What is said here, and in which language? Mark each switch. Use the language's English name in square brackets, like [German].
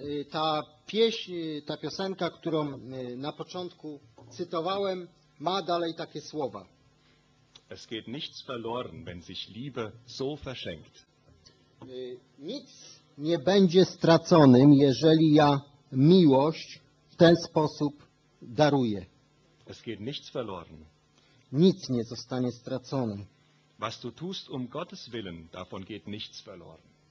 [Polish] Ta piosenka, którą na początku cytowałem, ma dalej takie słowa. [German] Es geht nichts verloren, wenn sich Liebe so verschenkt. [Polish] Nic nie będzie straconym, jeżeli ja miłość w ten sposób daruję. [German] Es geht nichts verloren. [Polish] Nic nie zostanie stracone. [German] Was du tust um Gottes willen, davon geht nichts verloren.